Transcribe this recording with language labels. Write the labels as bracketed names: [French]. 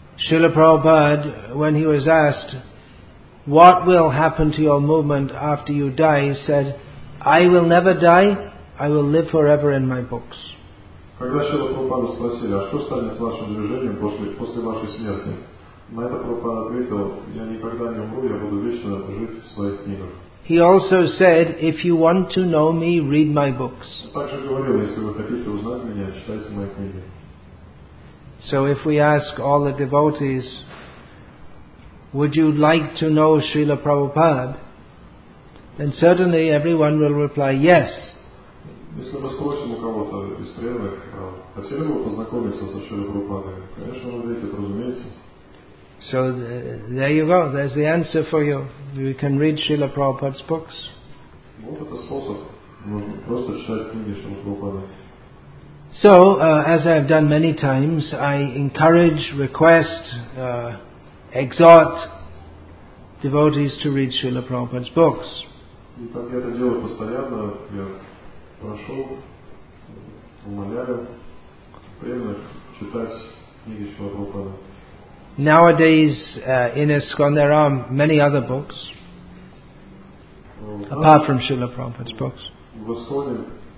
[English] Srila Prabhupada, when he was asked, "What will happen to your movement after you die?" he said, "I will never die. I will live forever in my books." [Russian] Когда Шрила Прабхупада спросили, а что станет с вашим движением после вашей смерти, на это Прабхупада ответил, я никогда не умру, я буду вечно жить в своих книгах. [English] He also said, if you want to know me, read my books. [Russian] Также говорил, если вы хотите узнать меня, читайте мои книги. [English] So if we ask all the devotees, would you like to know Srila Prabhupada? Then certainly everyone will reply, yes. [Russian] Если мы спросим у кого-то из преданных, хотели бы познакомиться со Шрилой Прабхупадой, конечно, он ответит, разумеется. [English] So there you go, there's the answer for you. You can read Srila Prabhupada's books. [Russian] Вот это способ. Можно просто читать книги Шрилы Прабхупады. [English] So, as I have done many times, I encourage, request, exhort devotees to read Srila Prabhupada's books. [Russian] И так я это делаю постоянно, я прошу, умоляю преданных читать книги Шрилы Прабхупады. [English] Nowadays, in ISKCON, there are many other books, apart from Srila Prabhupada's books.